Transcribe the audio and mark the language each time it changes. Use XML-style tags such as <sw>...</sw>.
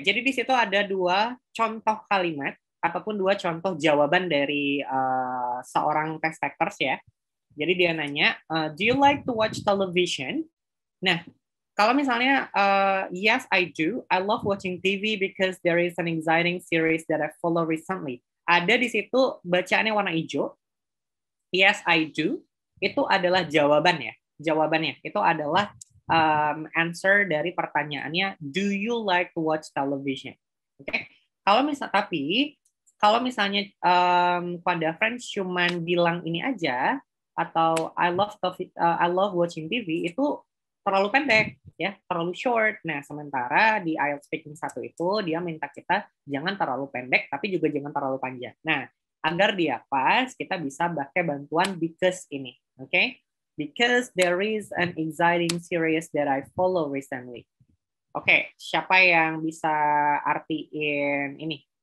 <id>Jadi di situ ada dua contoh kalimat ataupun dua contoh jawaban dari seorang test takers ya. Jadi dia nanya,</id> <en>do you like to watch television?</en> <id>Nah, kalau misalnya,</id> <en>yes, I do. I love watching TV because there is an exciting series that I follow recently.</en> <id>Ada di situ bacaannya warna hijau.</id> <en>Yes, I do.</en> <id>Itu adalah jawabannya. Jawabannya. Itu adalah answer dari pertanyaannya,</id> <en>do you like to watch television?</en> <id>Oke. Okay? Kalau misalnya, tapi, kalau misalnya pada friends cuman bilang ini aja, atau</id> <en>I love watching TV,</en> <id>itu terlalu pendek, ya, terlalu short. Nah, sementara di IELTS Speaking 1 itu, dia minta kita jangan terlalu pendek, tapi juga jangan terlalu panjang. Nah, agar dia pas, kita bisa pakai bantuan because ini. Oke? Okay?</id> <en>Because there is an exciting series that I follow recently.</en> <id>Oke, okay, siapa yang bisa artiin ini?</id>